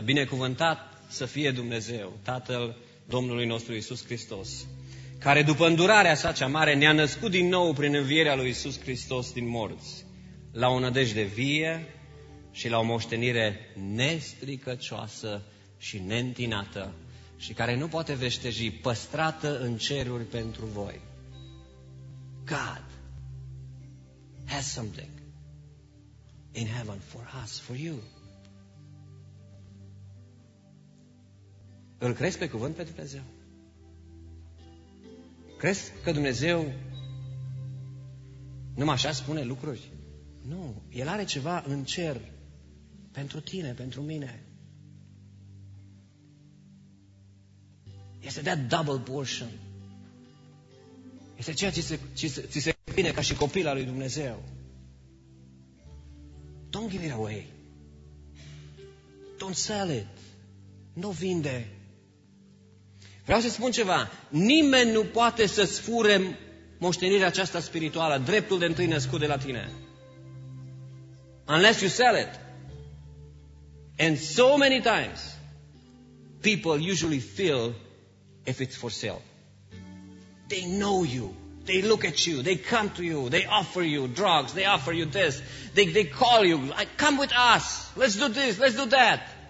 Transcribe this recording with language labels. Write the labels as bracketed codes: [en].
[ro] Binecuvântat să fie Dumnezeu, Tatăl Domnului nostru Iisus Hristos, care după îndurarea sa cea mare ne-a născut din nou prin învierea lui Iisus Hristos din morți, la o nădejde vie și la o moștenire nestricăcioasă și neîntinată și care nu poate veșteji, păstrată în ceruri pentru voi. [en] God has something in heaven for us, for you. [ro] Îl crezi pe cuvânt pe Dumnezeu? Crezi că Dumnezeu numai așa spune lucruri? Nu. El are ceva în cer pentru tine, pentru mine. Este [en] that double portion. [ro] Este ceea ce ți se vine ca și copil al lui Dumnezeu. [en] Don't give it away. Don't sell it. [ro] Nu vinde. Vreau să spun ceva. Nimeni nu poate să-ți fure moștenirea aceasta spirituală, dreptul de întâi născut de la tine. [en] Unless you sell it. And so many times, people usually feel if it's for sale. They know you. They look at you. They come to you. They offer you drugs. They offer you this. They call you. Come with us. Let's do this. Let's do that.